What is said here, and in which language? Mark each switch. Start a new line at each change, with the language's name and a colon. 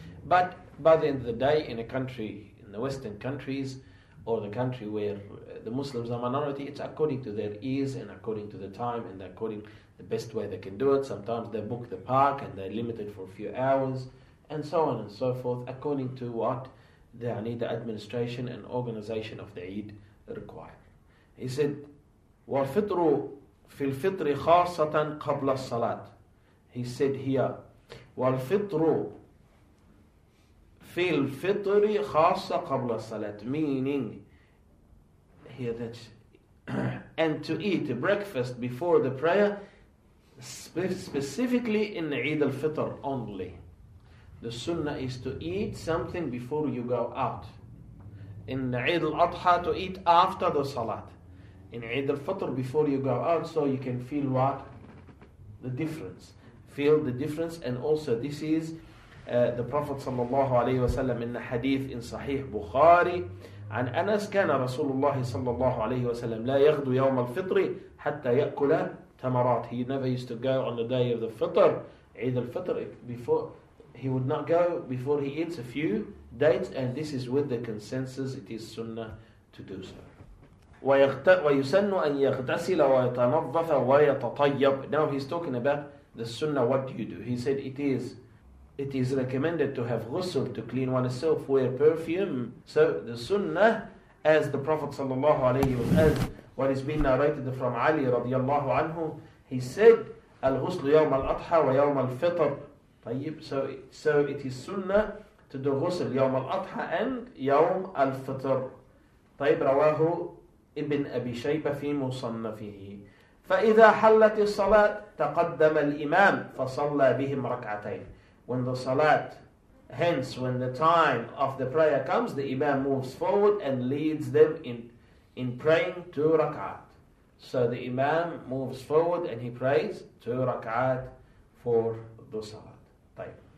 English: But by the end of the day, in a country, in the Western countries, or the country where the Muslims are minority, it's according to their ease and according to the time and according the best way they can do it. Sometimes they book the park and they're limited for a few hours, and so on and so forth, according to what the administration and organization of the Eid require. He said,
Arabic: وَالْفِطْرُ فِي الْفِطْرِ خَاصَةً قَبْلَ الصَّلَاةِ.
English: He said here,
Arabic: وَالْفِطْرُ فِي الْفِطْرِ خَاصَةً قَبْلَ الصَّلَاةِ,
English: meaning, here that, and to eat breakfast before the prayer, specifically in Eid al-Fitr only. The sunnah is to eat something before you go out. In Eid al-Adha, to eat after the salat. In Eid al-Fitr, before you go out, so you can feel what? The difference. Feel the difference. And also, this is the Prophet sallallahu alayhi wa sallam in the hadith in Sahih Bukhari.
Arabic: عن أنس كان رسول الله صلى الله عليه وسلم لا يغدو يوم الفطر حتى يأكل تمرات.
English: He never used to go on the day of the Fitr, Eid al-Fitr, before he would not go before he eats a few dates, and this is with the consensus, it is sunnah to do so.
Arabic: ويسن أن يغتسل ويتنظف ويتطيب.
English: Now he's talking about the sunnah, what do you do? He said it is recommended to have ghusl, to clean oneself, wear perfume. So the sunnah, as the Prophet sallallahu alayhi wa sallam, what is being narrated from Ali radiallahu anhu, he said,
Arabic: al-ghusl yawm al-adha wa yawm al-fitr.
English: So it is sunnah to do ghusl yawm al-adha and yawm al-fitr.
Arabic: طيب رواه ابن أبي شيبة في مصنفه. فإذا حلت الصلاة تقدم الإمام فصلى بهم ركعتين.
English: When the salat, hence when the time of the prayer comes, the imam moves forward and leads them in praying two rak'at. So the imam moves forward and he prays two rak'at for the salat.
Arabic: طيب.